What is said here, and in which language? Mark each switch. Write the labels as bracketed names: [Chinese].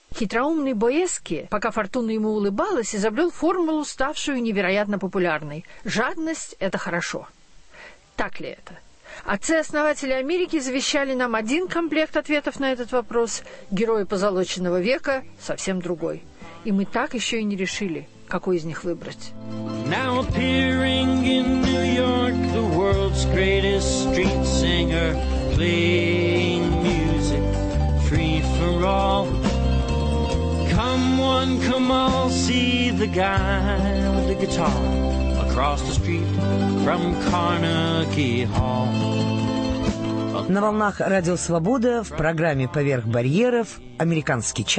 [Russian] Хитроумный Боевски, пока фортуна ему улыбалась, изобрел формулу, ставшую невероятно популярной. Жадность – это хорошо. Так ли это? Отцы-основатели Америки завещали нам один комплект ответов на этот вопрос, герои позолоченного века – совсем другой. И мы так еще и не решили, какой из них выбрать. [English] Now appearing in New York, the world's greatest street singer, playing music, free for all. Come one, come all, see the guy with the guitar across the street from Carnegie Hall. [Russian] На волнах Радио Свобода в программе «Поверх барьеров» американский чат.